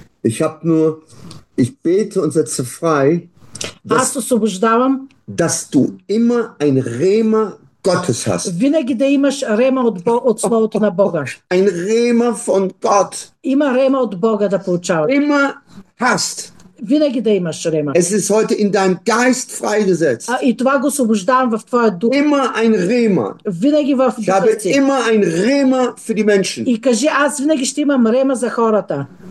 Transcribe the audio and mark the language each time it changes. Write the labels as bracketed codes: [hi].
[de] Ich hab nur, ich bete und setze frei, [bg] аз освобождавам, [de] dass du immer ein Rema Gottes hast. [bg] Винаги да имаш рема от Словото на Бога. [de] Ein Rema von Gott. [bg] Има рема от Бога да получаваш. [de] Immer hast. [bg] Винаги да имаш рема. [de] Es ist heute in deinem Geist freigesetzt. [bg] И това го освобождавам в твоя дух. [de] Immer ein Rema. [bg] Винаги в духа ти. [de] Ich habe immer ein Rema für die Menschen. [bg] И кажи, аз винаги ще имам рема за хората.